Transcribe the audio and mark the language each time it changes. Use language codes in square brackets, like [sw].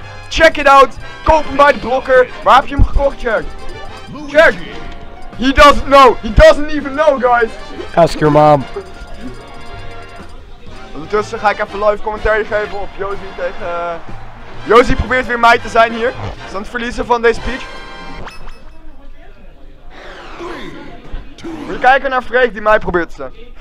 [nl] Check it out, koop hem bij de blokker. Waar heb je hem gekocht, Jack? Jack! [en] He doesn't know, he doesn't even know, guys! Ask your mom. [nl] Ondertussen ga ik even live commentaar geven op Josie tegen... Josie probeert weer mij te zijn hier. Is aan het verliezen van deze peach. Moet je kijken naar Freek die mij probeert te zijn.